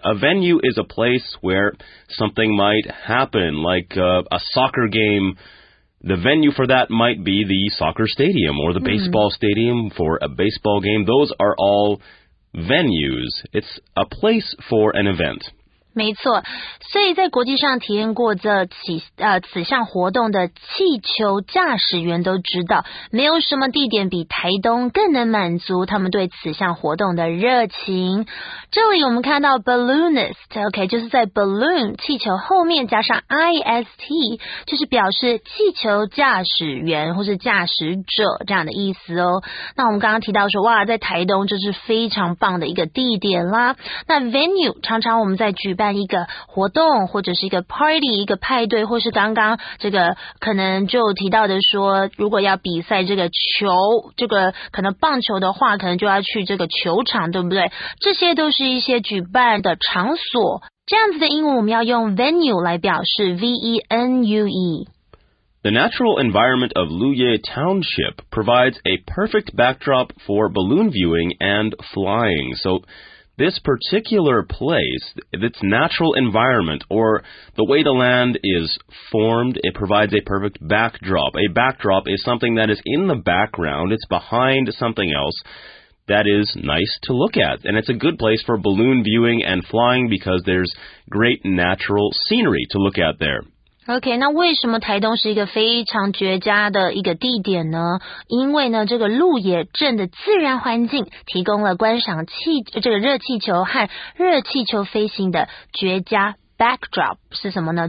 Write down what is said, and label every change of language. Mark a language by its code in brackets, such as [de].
[zh] A venue is a place where something might happen, like a soccer game. The venue for that might be the soccer stadium or the baseball stadium for a baseball game. Those are all venues. It's a place for an event. 没错，所以在国际上体验过这此项活动的气球驾驶员都知道，没有什么地点比台东更能满足他们对此项活动的热情。这里我们看到 balloonist， OK， 就是在 balloon 气球后面加上 ist， 就是表示气球驾驶员或是驾驶者这样的意思哦。那我们刚刚提到说，哇，在台东这是非常棒的一个地点啦。那 venue 常常我们在举办一个活动或者是一个 party 一个派对，或是刚刚这个可能就提到的说，如果要比赛这个球，这个可能棒球的话，可能就要去这个球场，对不对？这些都是一些举办的场所。这样子的英文我们要用 venue 来表示 ，V-E-N-U-E。 [en] The natural environment of Luye Township provides a perfect backdrop for balloon viewing and flying. So, this particular place, its natural environment, or the way the land is formed, it provides a perfect backdrop. A backdrop is something that is in the background, it's behind something else that is nice to look at. And it's a good place for balloon viewing and flying because there's great natural scenery to look at there. [zh] OK， 那为什么台东是一个非常绝佳的一个地点呢？因为呢，这个鹿野镇的自然环境提供了观赏热气球和热气球飞行的绝佳 backdrop 是什么呢？